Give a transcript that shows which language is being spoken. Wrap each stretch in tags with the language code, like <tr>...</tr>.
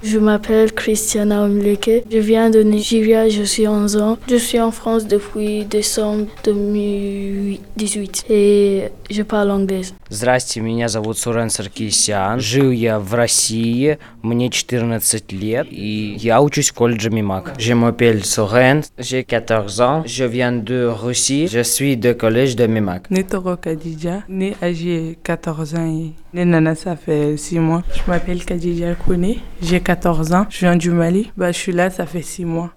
<fr>Je m'appelle Christiana Omileke. Je viens de Nigeria. Je suis 11 ans. Je suis en France depuis décembre 2018. Et je parle anglais.</fr> <ru>Здравствуйте, меня зовут Сурен Саркисян. Жил я в России. Мне 14 лет. И я учусь в колледже МИМАК.</ru> <fr>Je m'appelle Сурен. J'ai 14 ans. Je viens de Russie. Je suis de collège de МИМАК. Née à J'ai 14 ans et née Nana, ça fait 6 mois. Je m'appelle Khadija Kouné, j'ai 14 ans, je viens du Mali. Bah, je suis là, ça fait 6 mois.</fr>